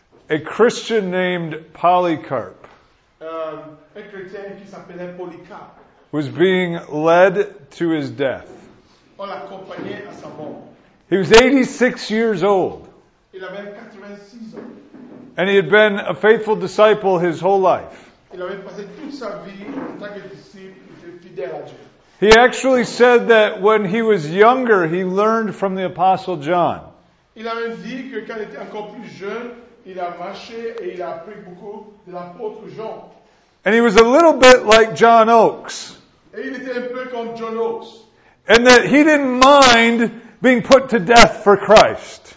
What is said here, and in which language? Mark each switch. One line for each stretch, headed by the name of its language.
English: a Christian named Polycarp,
French: un chrétien qui s'appelait Polycarp
English: was being led to his death.
French: On l'accompagnait à sa mort.
English: He was 86 years old.
French: Il avait 86 ans.
English: And he had been a faithful disciple his whole life.
French: Il avait passé toute sa vie en tant que disciple fidèle à Dieu.
English: He actually said that when he was younger, he learned from the Apostle John.
French: Il avait dit que quand il était encore plus jeune, il a marché et il a appris beaucoup de l'apôtre Jean.
English: And he was a little bit like John Oakes.
French: Et il était un peu comme John Oakes.
English: And that he didn't mind being put to death for Christ.